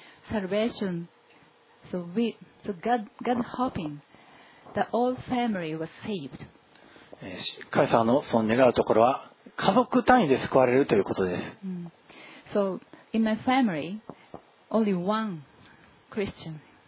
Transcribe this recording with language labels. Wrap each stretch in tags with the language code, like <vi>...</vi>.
<en>Salvation, so we, so God hoping that all family was saved.</en> <ja>彼さんのその願うところは家族単位で救われるということです。</ja> <en>So in my family, only one Christian.</en>